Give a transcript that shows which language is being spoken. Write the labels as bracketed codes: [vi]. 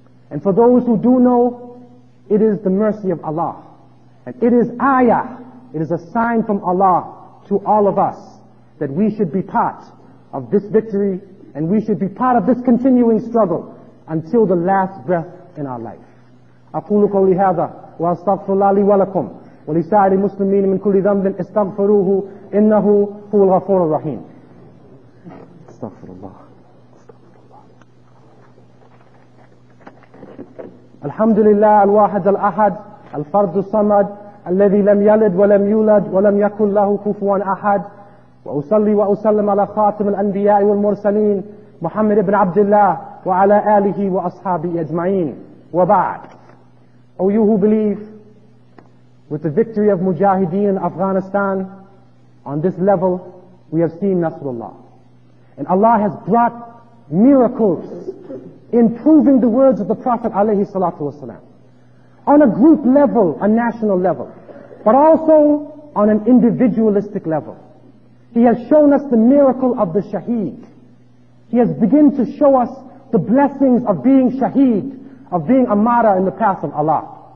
[en] And for those who do know, it is the mercy of Allah. And it is ayah, it is a sign from Allah to all of us that we should be part of this victory and we should be part of this continuing struggle until the last breath in our life. [ar] أقول قولي هذا وأستغفر الله لي ولكم ولسائر المسلمين من كل ذنب استغفروه إنه هو الغفور الرحيم. استغفر الله. الحمد لله الواحد الأحد الفرد الصمد الذي لم يلد ولم يولد ولم يكن له كفوا أحد وأصلي وأسلم على خاتم الأنبياء والمرسلين محمد بن عبد الله وعلى آله وأصحابه أجمعين وبعد [en] Oh, you who believe, with the victory of Mujahideen in Afghanistan, on this level, we have seen Nasrullah. And Allah has brought miracles in proving the words of the Prophet alayhi salatu wasalam. On a group level, a national level, but also on an individualistic level. He has shown us the miracle of the shaheed. He has begun to show us the blessings of being shaheed, of being a martyr in the path of Allah.